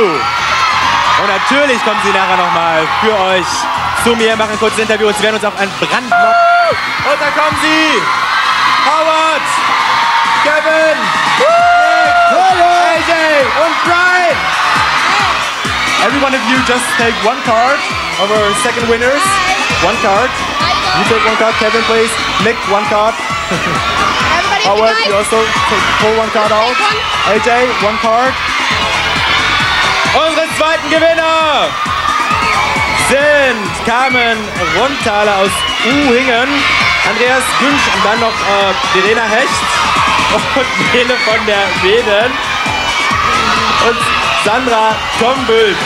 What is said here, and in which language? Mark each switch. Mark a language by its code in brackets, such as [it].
[de] Und natürlich kommen sie nachher nochmal für euch zu mir, machen ein kurzes Interview. Sie werden uns auch ein Brandloch. Und da kommen sie: Howard, Kevin, AJ und Brian. [en] Every one of you just take one card of our second winners. One card. You take one card, Kevin, please. Nick, one card. Howard, you also pull one card out. AJ, one card. [de] Unsere zweiten Gewinner sind Carmen Rundthaler aus Uhingen, Andreas Günsch und dann noch Verena Hecht und Nele von der Weden und Sandra Kombül.